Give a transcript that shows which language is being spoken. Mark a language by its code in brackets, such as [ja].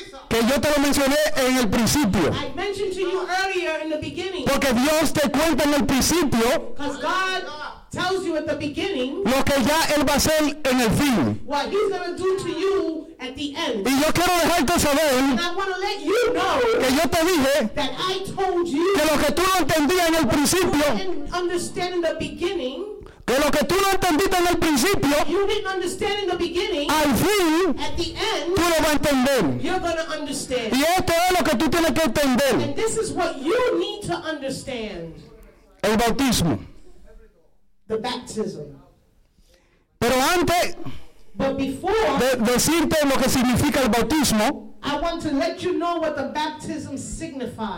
[es] Que yo te lo mencioné en el principio. [en] I mentioned to you earlier in the beginning. [es] Porque Dios te cuenta en el principio. [en] Because God tells you at the beginning. [es] Lo que ya él va a hacer en el fin. [en] What he's going to do to you at the end. [es] Y yo quiero dejarte saber. [en] And I want to let you know. [es] Que yo te dije. [en] That I told you. [es] Que lo que tú no entendías en el principio. [en] You didn't understand in the beginning. [es] De lo que tú no entendiste en el principio, [en] you didn't understand in the beginning, [es] al fin, [en] at the end, [es] tú lo vas a entender. [en] You're gonna understand. [es] Y esto es lo que tú tienes que entender. [en] And this is what you need to understand. [es] El bautismo. [en] The baptism. [es] Pero antes, [en] but before, [es] de decirte lo que significa el bautismo, [en] I want to let you know what the baptism signifies.